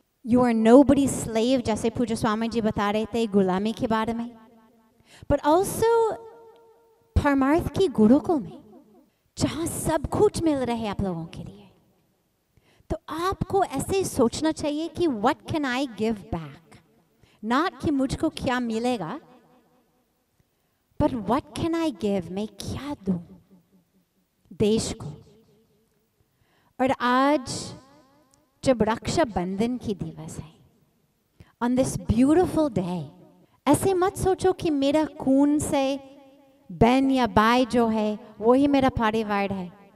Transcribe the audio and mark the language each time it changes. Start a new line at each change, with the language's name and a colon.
English: You are nobody's slave,
Hindi: जैसे पूजा स्वामी जी बता रहे थे गुलामी के बारे में.
English: But also
Hindi: परमार्थ की गुरुकुल में, जहाँ सब कुछ मिल रहा है आप लोगों के लिए. तो आपको ऐसे सोचना चाहिए कि
English: what can I give back? Not
Hindi: कि मुझको क्या मिलेगा,
English: but what can I give?
Hindi: मैं क्या दूँ देश को? और आज जब रक्षाबंधन की दिवस है,
English: on this beautiful day,
Hindi: ऐसे मत सोचो कि मेरा खून से बहन या भाई जो है वही मेरा परिवार है.